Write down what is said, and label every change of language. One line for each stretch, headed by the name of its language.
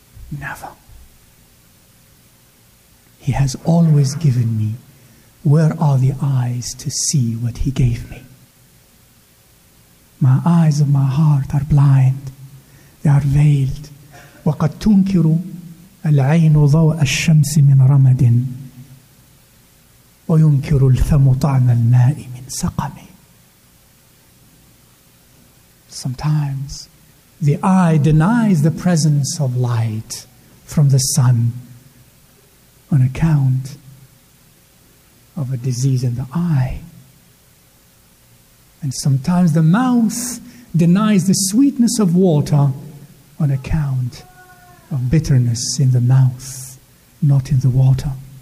English: Never. He has always given me. Where are the eyes to see what He gave me? My eyes of my heart are blind. They are veiled.
Arabic: وَقَدْ تُنْكِرُوا العين ضوء الشمس من رمد وينكر الفم طعم الماء من سقم.
English: Sometimes the eye denies the presence of light from the sun on account of a disease in the eye. And sometimes the mouth denies the sweetness of water on account of bitterness in the mouth, not in the water.